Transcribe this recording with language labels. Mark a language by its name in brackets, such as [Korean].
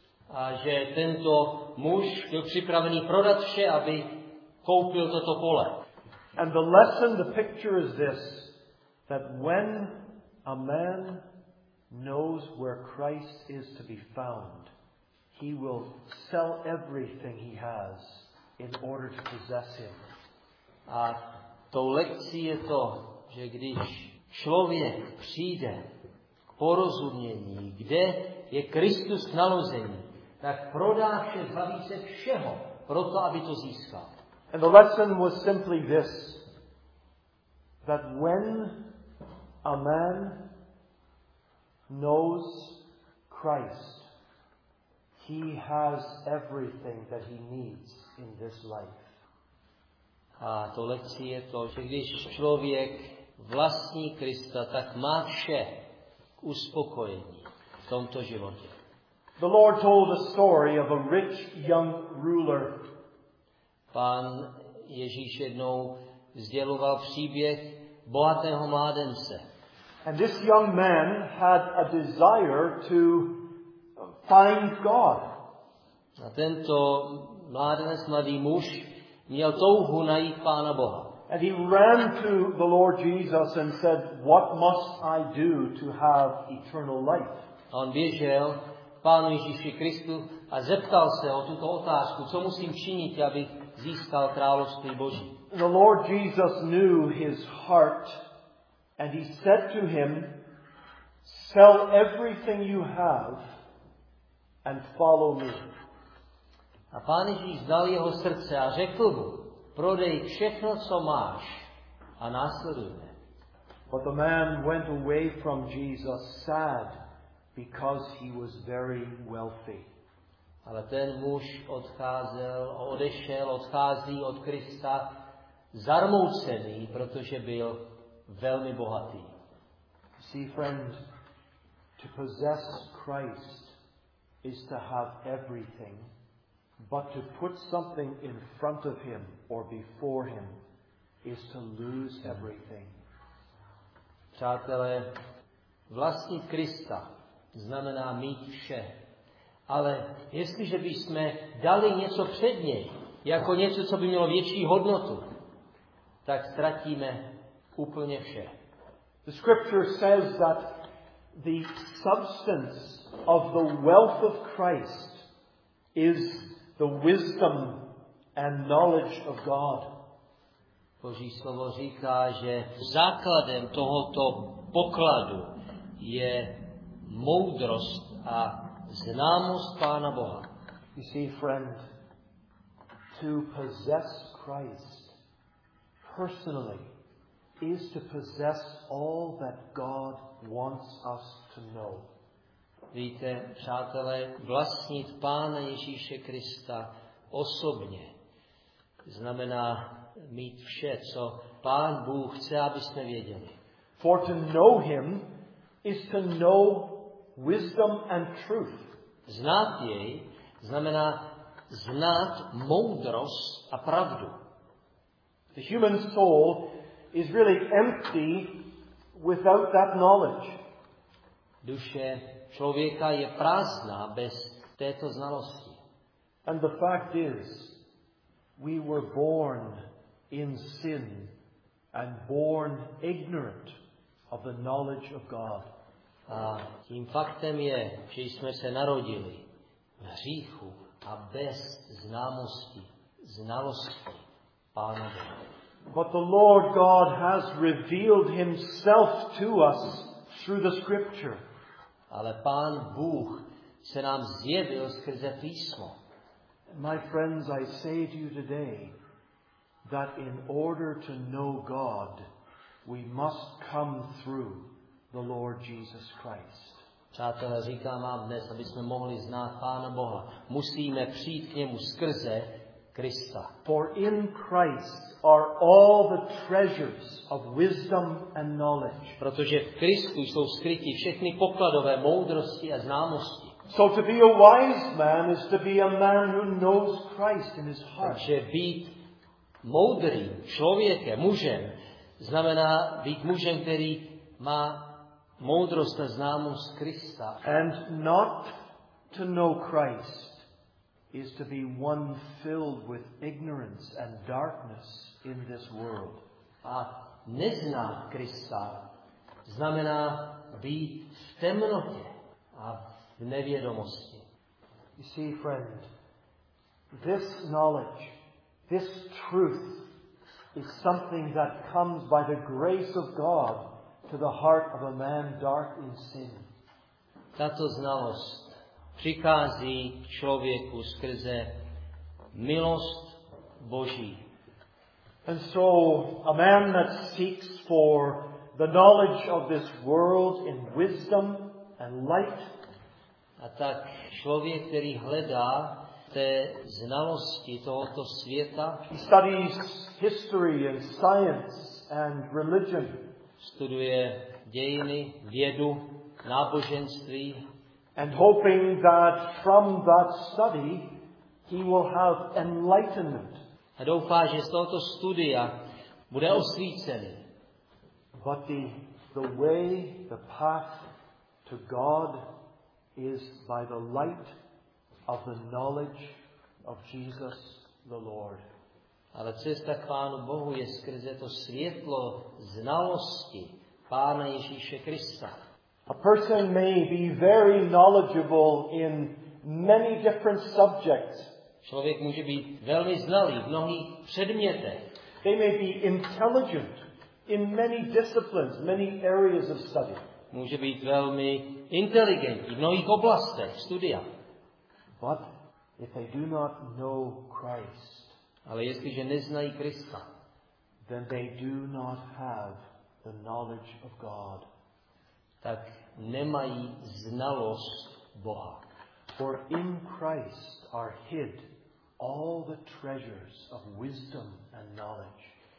[Czech] A že tento muž byl připravený prodat vše, aby koupil toto pole. [English] And the lesson, the picture is this, that when a man knows where Christ is to be found, he will sell everything he has in order to possess him. [Czech] A tou lekcí je to, že když člověk přijde k porozumění, kde je Kristus k nalození, tak prodá vše, zbaví se všeho, proto aby to získal. [English] And the lesson was simply this, that when a man knows Christ, he has everything that he needs in this life. [Czech] A to lekcí je to, že když člověk vlastní Krista, tak má vše k uspokojení v tomto životě. [English] The Lord told a story of a rich young ruler. [Czech] Pán Ježíš jednou sděloval příběh bohatého mládence. [English] And this young man had a desire to find God. [Czech] A tento mládenec, mladý muž, měl touhu najít Pána Boha. [English] And he ran to the Lord Jesus and said, "What must I do to have eternal life?" [Czech] On běžel Pánu Ježíši Kristu a zeptal se o tuto otázku, co musím činit, abych získal království Boží. [English] The Lord Jesus knew his heart. And he said to him, "Sell everything you have and follow me." [Czech] A Pán Ježíš znal jeho srdce a řekl mu, prodej všechno, co máš, a následujme. [English] But the man went away from Jesus sad because he was very wealthy. [Czech] Ale ten muž odcházel, odešel, odchází od Krista zarmoucený, protože byl velmi bohatý. [English] See, friend, to possess Christ is to have everything, but to put something in front of him or before him is to lose everything. [Czech] Přátelé, vlastnit Krista znamená mít vše. Ale jestliže bychom dali něco před něj, jako něco, co by mělo větší hodnotu, tak ztratíme úplně vše. [English] The scripture says that the substance of the wealth of Christ is the wisdom and knowledge of God. [Czech] Boží slovo říká, že základem tohoto pokladu je moudrost a známost Pána Boha. [English] You see, friend, to possess Christ personally is to possess all that God wants us to know. [Czech] Víte, přátelé, vlastnit Pána Ježíše Krista osobně znamená mít vše, co Pán Bůh chce, abyste věděli. [English] For to know him is to know wisdom and truth. [Czech] Znát jej znamená znát moudrost a pravdu. [English] The human soul is really empty without that knowledge. [Czech] Duše člověka je prázdná bez této znalosti. [English] And the fact is, we were born in sin and born ignorant of the knowledge of God. [Czech] A tím faktem je, že jsme se narodili v hříchu a bez známosti, znalosti Pána Boha. [English] But the Lord God has revealed himself to us through the scripture. [Czech] Ale Pán Bůh se nám zjevil skrze písmo. [English] My friends, I say to you today that in order to know God, we must come through the Lord Jesus Christ. [Czech] Přátelé, říkám vám dnes, aby jsme mohli znát Pána Boha, musíme přijít k němu skrze Krista. [English] For in Christ are all the treasures of wisdom and knowledge. [Czech] Protože v Kristu jsou skryty všechny pokladové moudrosti a známosti. [English] So to be a wise man is to be a man who knows Christ in his heart. [Czech] Takže být moudrým člověkem, mužem, znamená být mužem, který má moudrost a známost Krista. [English] And not to know Christ is to be one filled with ignorance and darkness in this world. [Czech] A neznát Krista znamená být v temnotě a v nevědomosti. [English] You see, friend, this knowledge, this truth is something that comes by the grace of God to the heart of a man dark in sin. [Czech] Tato znalost přichází člověku skrze milost Boží. [English] And so a man that seeks for the knowledge of this world in wisdom and light. [Czech] A tak člověk, který hledá té znalosti tohoto světa, [English] he studies history and science and religion. [Czech] Studuje dějiny, vědu, náboženství. [English] And hoping that from that study he will have enlightenment. [Czech] A doufá, že z tohoto studia bude osvícený. [English] But the way, the path to God is by the light of the knowledge of Jesus the Lord. [Czech] Ale cesta k Pánu Bohu je skrze to světlo znalosti Pána Ježíše Krista. [English] A person may be very knowledgeable in many different subjects. [Czech] Člověk může být velmi znalý v mnohých předmětech. [English] They may be intelligent in many disciplines, many areas of study. [Czech] Může být velmi inteligentní v mnohých oblastech studia. [English] But if they do not know Christ, [Czech] Ale jestliže neznají Krista, [English] then they do not have the knowledge of God. [Czech] Tak nemají znalost Boha. [English] For in Christ are hid all the treasures of wisdom and knowledge.